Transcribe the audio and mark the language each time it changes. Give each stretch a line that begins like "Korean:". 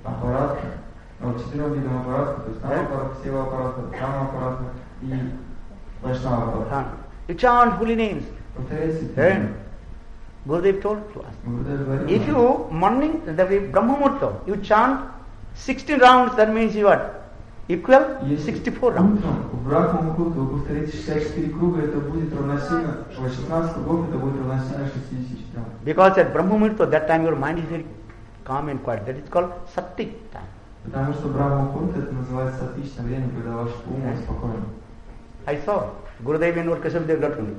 Russian: Aparad, четыре виды Namaparad, Sevaparad, Dhamaparad и Vaishnava.
English: You chant holy names. Then, Gurudev told to us, if you morning, the way Brahma Murta, you chant 16 rounds, that means you what? Equal 64 rounds.
Russian: Утром в Брахма-мухурте вы повторите 64 круга, это будет равносильно 18 кругов, это будет равносильно 64.
English: Because at Брахма-мухурте, that time your mind is very calm and quiet. That is called саттик time.
Russian: Потому что Брахма-мухурте это называется саттичное время, когда ваш ум спокоен.
English: I saw Gurudev and Lord Keshav Dev Gautami.